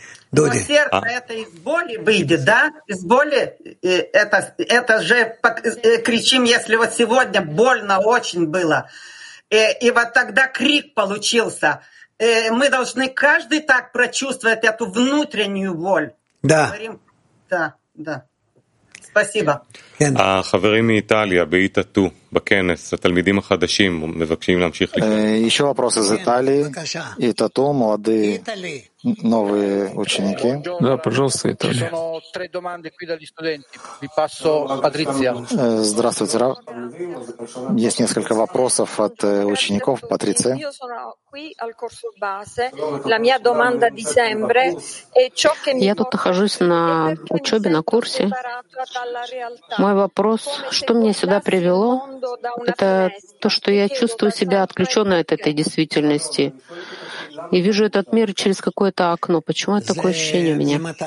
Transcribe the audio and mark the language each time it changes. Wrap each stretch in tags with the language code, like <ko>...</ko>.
<ru>Дуди. Но сердце это из боли выйдет, да? Из боли это же кричим, если вот сегодня больно очень было. И вот тогда крик получился. Мы должны каждый так прочувствовать эту внутреннюю боль. Да. Да, да. Спасибо.</ru> <he>החברים מאיטליה, באיטתו, בכנס, התלמידים החדשים מבקשים להמשיך לקרוא.</he> <ru>Еще вопрос из Италии. Итату, молодые, новые ученики. Да, пожалуйста, Италия.</ru> <it>Ci sono tre domande qui dagli studenti. Vi passo Patrizia.</it> <ru>Здравствуйте, Рав. Есть несколько вопросов от учеников, Патриция.</ru> <it>Io sono qui al corso base. La mia domanda di sempre è ciò che mi.</it> <ru>Я тут нахожусь на учебе, на курсе. Мой вопрос, что меня сюда привело, это то, что я чувствую себя отключенной от этой действительности и вижу этот мир через какое-то окно. Почему это такое ощущение у меня?</ru>